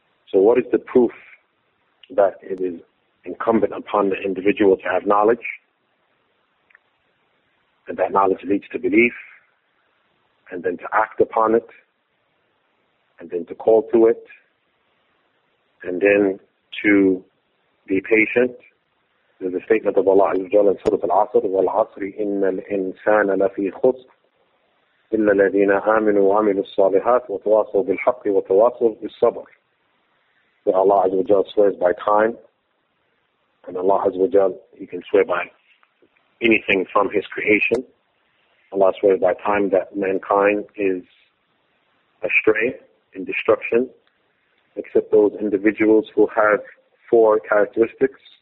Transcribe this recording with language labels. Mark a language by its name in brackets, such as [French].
[English] So what is the proof that it is incumbent upon the individual to have knowledge, and that knowledge leads to belief, and then to act upon it, and then to call to it, and then to be patient? There's a statement of Allah Azza wa Jalla in Surah Al-Asr, [Arabic] وَالْعَصْرِ إِنَّ الْإِنسَانَ لَفِي خُسْرٍ إِلَّا الَّذِينَ آمِنُوا وَعَمِلُوا الصَّالِحَاتِ وَتَوَاصَوْا بِالْحَقِّ وَتَوَاصَوْا بِالصَّبْرِ. [English] That Allah Azza wa Jalla swears by time, and Allah Azza wa Jalla, He can swear by anything from His creation. Allah swears by time that mankind is astray in destruction, except those individuals who have four characteristics.